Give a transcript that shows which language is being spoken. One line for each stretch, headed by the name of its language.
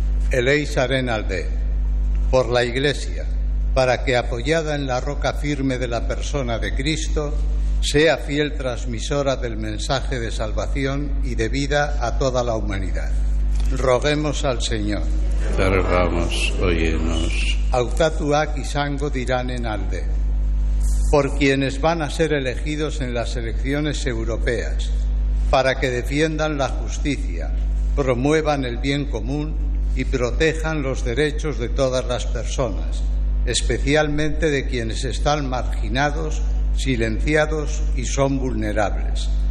Basque: Eleis arenalde,
Spanish: por la Iglesia, para que, apoyada en la roca firme de la persona de Cristo, sea fiel transmisora del mensaje de salvación y de vida a toda la humanidad. Roguemos al Señor. Te rogamos, óyenos.
Basque: Autatuak izango diranen alde.
Spanish: Por quienes van a ser elegidos en las elecciones europeas, para que defiendan la justicia, promuevan el bien común y protejan los derechos de todas las personas, especialmente de quienes están marginados, silenciados y son vulnerables.